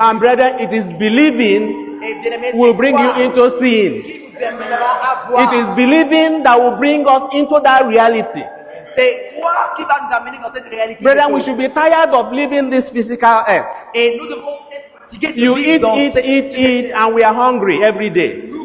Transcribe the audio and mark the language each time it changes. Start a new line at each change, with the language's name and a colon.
English: And brethren, it is believing will bring you into seeing. It is believing that will bring us into that reality.
French: C'est quoi qui va nous amener dans cette réalité?
English: Brethren, we should be tired of living this physical earth.
French: Et nous devons.
English: You eat, and we are hungry every day.